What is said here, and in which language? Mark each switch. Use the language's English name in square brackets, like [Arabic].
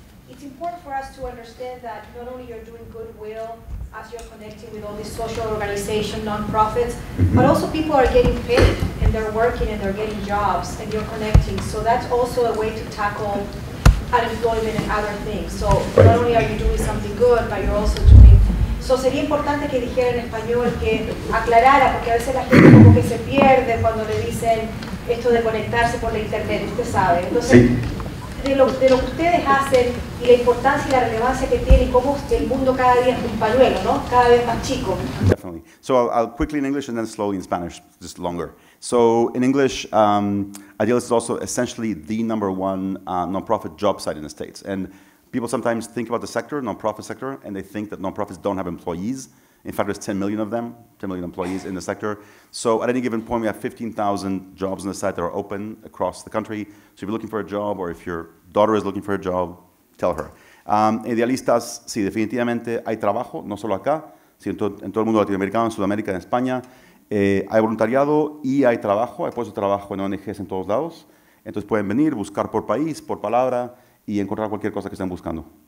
[English] It's important for us to understand that not only you're doing goodwill as you're connecting with all these social organizations, nonprofits, but also people are getting paid and they're working and they're getting jobs and you're connecting. So that's also a way to tackle unemployment and other things. So not only are you doing something good, but you're also doing. [Spanish] So sería importante que dijera en español que aclarara, porque a veces la gente como que se pierde cuando le dicen esto de conectarse por la internet, usted sabe. Entonces, sí. De lo que ustedes hacen y la importancia y la relevancia que tiene y cómo es que el mundo cada día es un pañuelo, ¿no? Cada vez más chico. [English] Definitely. So I'll quickly in English and then slowly in Spanish, just longer. So in English, Idealist is also essentially the number one nonprofit job site in the States. And people sometimes think about the sector, nonprofit sector, and they think that nonprofits don't have employees. In fact, there's 10 million of them, 10 million employees in the sector. So at any given point, we have 15,000 jobs on the site that are open across the country. So if you're looking for a job, or if your daughter is looking for a job, tell her. [Spanish] Idealistas, sí, definitivamente hay trabajo, no solo acá, sino en todo el mundo latinoamericano, en Sudamérica, en España. Hay voluntariado y hay trabajo, hay puestos de trabajo en ONGs en todos lados. Entonces pueden venir, buscar por país, por palabra, y encontrar cualquier cosa que estén buscando.